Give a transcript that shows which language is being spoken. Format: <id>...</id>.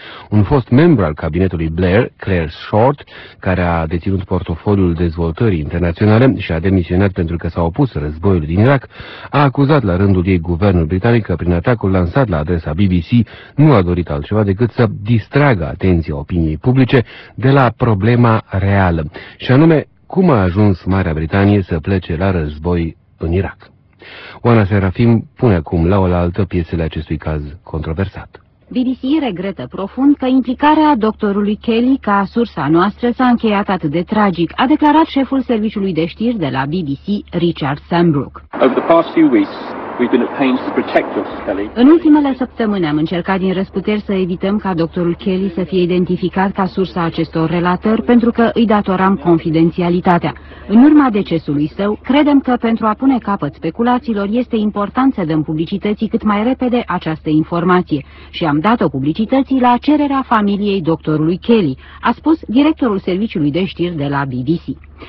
<ro>Un fost membru al cabinetului Blair, Clare Short, care a deținut portofoliul dezvoltării internaționale și a demisionat pentru că s-a opus războiului din Irak, a acuzat la rândul ei guvernul britanic că prin atacul lansat la adresa BBC nu a dorit altceva decât să distragă atenția opiniei publice de la problema reală, și anume cum a ajuns Marea Britanie să plece la război în Irak. Oana Serafim pune acum la oaltă piesele acestui caz controversat. BBC regretă profund că implicarea doctorului Kelly ca sursa noastră s-a încheiat atât de tragic, a declarat șeful serviciului de știri de la BBC, Richard Sambrook.</ro> <en>Over the past few weeks, we've been at pains to protect Dr. Kelly.</en> <ro>În ultimele săptămâni am încercat din răsputeri să evităm ca doctorul Kelly să fie identificat ca sursa acestor relatări, pentru că îi datoram confidențialitatea. În urma decesului său, credem că pentru a pune capăt speculațiilor este important să dăm publicității cât mai repede această informație și am dat-o publicității la cererea familiei doctorului Kelly, a spus directorul serviciului de știri de la BBC.</ro>